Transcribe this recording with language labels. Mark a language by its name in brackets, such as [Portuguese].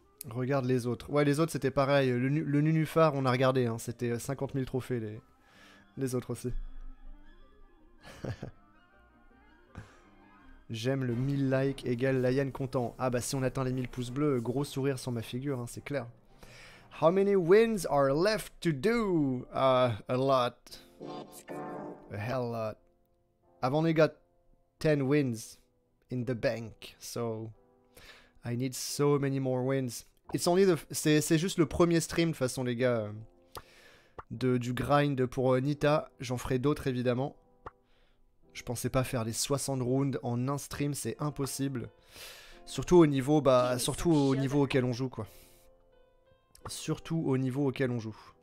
[French] Regarde les autres. Ouais, les autres c'était pareil, le Nunufar on a regardé, hein. C'était 50 000 trophées les autres aussi. J'aime le 1000 likes égale Lion content. Ah bah si on atteint les 1000 pouces bleus, gros sourire sur ma figure, hein, c'est clair. [English] How many wins are left to do? A lot. A hell lot. I've only got 10 wins in the bank. So I need so many more wins. [French] C'est juste le premier stream de toute façon les gars. Du grind pour Nita. J'en ferai d'autres évidemment. Je pensais pas faire les 60 rounds en un stream. C'est impossible. Surtout au niveau auquel on joue quoi. Surtout au niveau auquel on joue.